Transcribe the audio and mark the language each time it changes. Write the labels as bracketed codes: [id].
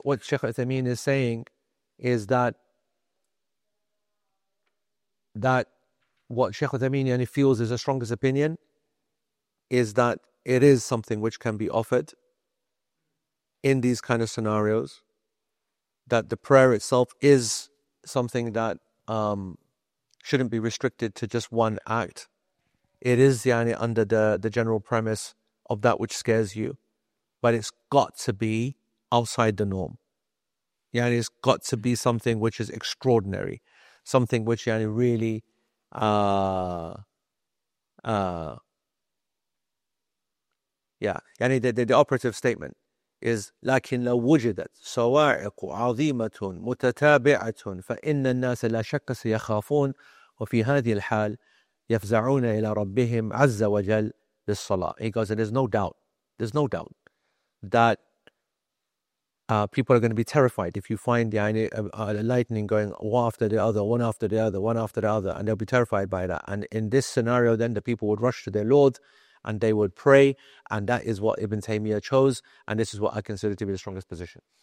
[en] What Sheikh al-Islam is saying is that what Sheikh Uthaymeen feels is the strongest opinion is that it is something which can be offered in these kind of scenarios, that the prayer itself is something that shouldn't be restricted to just one act. It is under the general premise of that which scares you, but it's got to be outside the norm. It's got to be something which is extraordinary. something which yani really yani the operative statement is [ar] لكن لو وجدت صواعق عظيمة متتابعة فإن الناس لا شك سيخافون وفي هذه الحال يفزعون إلى ربهم عز وجل للصلاة. [en] He goes, there's no doubt, there's no doubt that people are going to be terrified if you find the lightning going one after the other, one after the other, one after the other, and they'll be terrified by that. And in this scenario, then the people would rush to their Lord and they would pray, and that is what Ibn Taymiyyah chose, and this is what I consider to be the strongest position.